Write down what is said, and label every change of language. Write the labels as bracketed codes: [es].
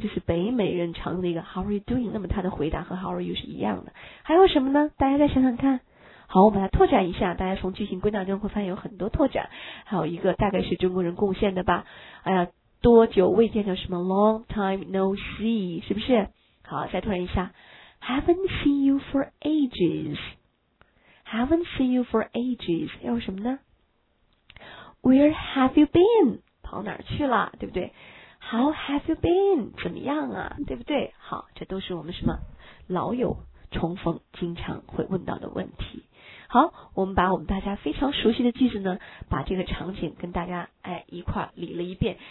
[zh] 这是北美人常用的一个 [en] How are you doing？ [zh] 那么他的回答和 [en] How are you [zh] 是一样的。还有什么呢？大家再想想看。好，我们来拓展一下，大家从句型归纳中会发现有很多拓展，还有一个大概是中国人贡献的吧。哎呀，多久未见叫什么 ？ [en] Long time no see， [zh] 是不是？好，再拓展一下。 [en] Haven't seen you for ages. Haven't seen you for ages. [zh] 要有什么呢 ？ [en] Where have you been? [zh] 跑哪儿去了，对不对 ？ [en] How have you been? [zh] 怎么样啊，对不对？好，这都是我们什么老友重逢经常会问到的问题。好，我们把我们大家非常熟悉的句子呢，把这个场景跟大家哎一块理了一遍。